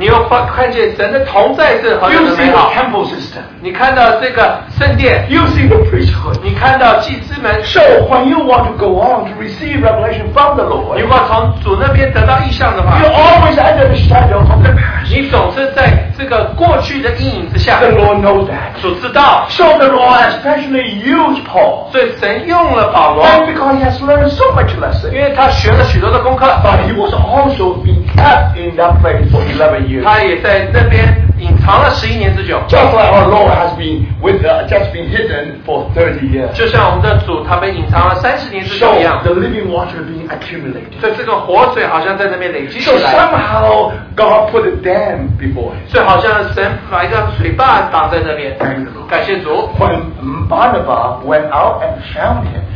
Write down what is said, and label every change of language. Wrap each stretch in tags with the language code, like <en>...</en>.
<zh>你又看见神的同在是何等的美好。</zh> <en>You see the temple system.</en> <zh>你看到这个圣殿。</zh> <en>You see the priesthood.</en> <zh>你看到祭司们。</zh> <en>So when you want to go on to receive revelation from the Lord,</en> <zh>如果从主那边得到意象的话,</zh> <en>you always under the shadow of the past.</en> <zh>你总是在这个过去的阴影之下。</zh> <en>The Lord knows that.</en> <zh>主知道。</zh> <en>So the Lord especially used Paul.</en> <zh>所以神用了保罗。</zh> <en>And because he has learned so much lesson.</en> <zh>因为他学了许多的功课。</zh> <en>But he was also been kept in that place for 11 years.</en> <zh>他也在这边隐藏了11年之久。</zh> <en>Just like our Lord has been with just been hidden for 30 years.</en> <zh>就像我们的主，他被隐藏了30年之久一样。</zh> <en>So the living water being accumulated.</en> <zh>所以这个活水好像在那边累积起来。</zh> <en>So somehow God put a dam before him.</en> <zh>所以好像神把一个水坝挡在那边。感谢主。</zh> <en>When Barnabas went out and found him.</en>